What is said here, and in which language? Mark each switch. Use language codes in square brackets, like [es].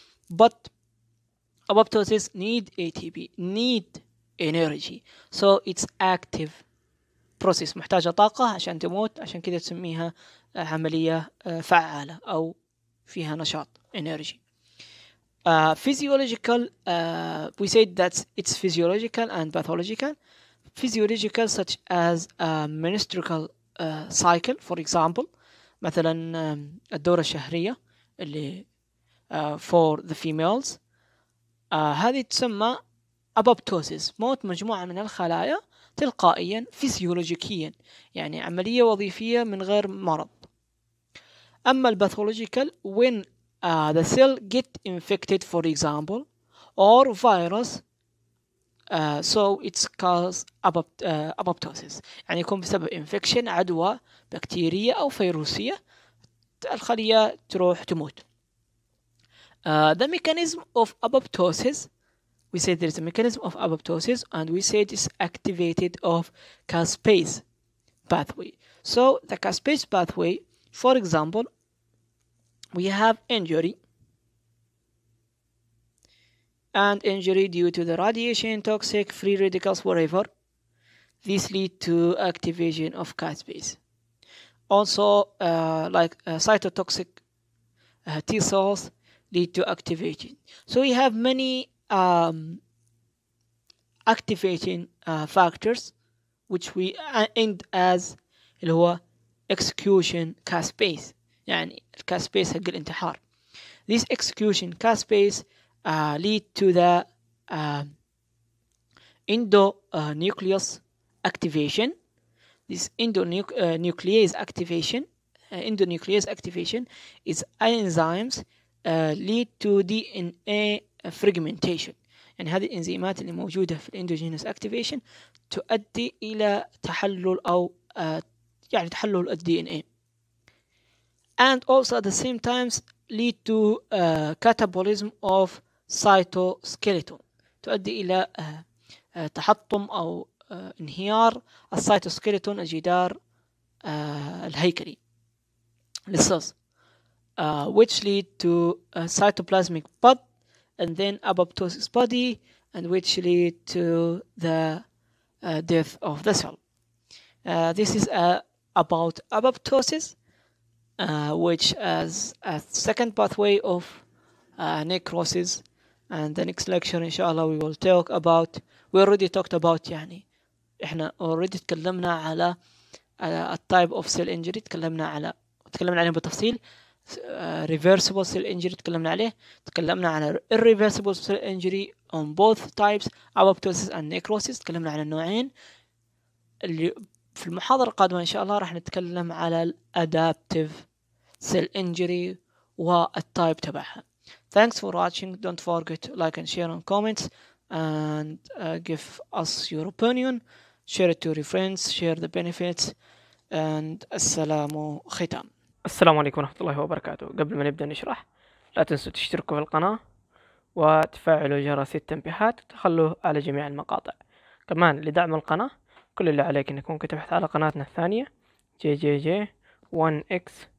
[en] But apoptosis need ATP. Need energy. So it's active process. [ar] محتاجة طاقة عشان تموت. عشان كده تسميها عملية فعالة أو فيها نشاط energy. [en] Physiological, we said that it's physiological and pathological. Physiological such as a menstrual cycle, for example, [ar] مثلا الدورة الشهرية اللي [en] for the females. [ar] هذه تسمى apoptosis, موت مجموعة من الخلايا تلقائيا فيزيولوجيكيا, يعني عملية وظيفية من غير مرض. أما الباثولوجيكال, [en] when the cell get infected, for example, or virus, so it's caused apoptosis. [ar] يعني يكون بسبب infection, عدوى بكتيرية أو فيروسية, الخلية تروح تموت. [en] The mechanism of apoptosis, we said there is a mechanism of apoptosis, and we said it's activated of caspase pathway. So the caspase pathway, for example, we have injury, and injury due to the radiation, toxic, free radicals, whatever, this lead to activation of caspase. Also, like cytotoxic T cells lead to activation. So we have many activating factors, which we end as [ar] اللي هو [en] execution caspase. [ar] يعني الكاسبيس حق الانتحار. [en] This execution caspase lead to the endonucleus activation. This endonuclease activation, endonuclease activation is enzymes lead to DNA fragmentation. [ar] يعني هذه الانزيمات اللي موجودة في الاندوجينوس activation تؤدي إلى تحلل أو يعني تحلل DNA. [en] And also at the same times lead to catabolism of cytoskeleton. [ar] تؤدي إلى تحطم أو انهيار cytoskeleton, الجدار الهيكلي للصوص. [en] Which lead to cytoplasmic bud and then apoptosis body, and which lead to the death of the cell. This is about apoptosis. Which as a second pathway of necrosis, and the next lecture inshallah we will talk about, we already talked about, [ar] يعني احنا [en] already تكلمنا على a type of cell injury, [ar] تكلمنا عليه بالتفصيل, [en] reversible cell injury [ar] تكلمنا عليه, تكلمنا على [en] irreversible cell injury on both types, apoptosis and necrosis, [ar] تكلمنا على النوعين. اللي في المحاضرة القادمة إن شاء الله راح نتكلم على [en] adaptive cell injury [ar] والtype تبعها. [en] Thanks for watching. Don't forget to like and share and comment, and give us your opinion. Share it to your friends. Share the benefits. [ar] And السلام وختام. السلام عليكم ورحمة الله وبركاته. قبل ما نبدأ نشرح, لا تنسوا تشتركوا في القناة وتفعلوا جرس التنبيهات وتخلوا على جميع المقاطع. كمان لدعم القناة, كل اللي عليك انك ممكن تبحث على قناتنا الثانية JJJ1X.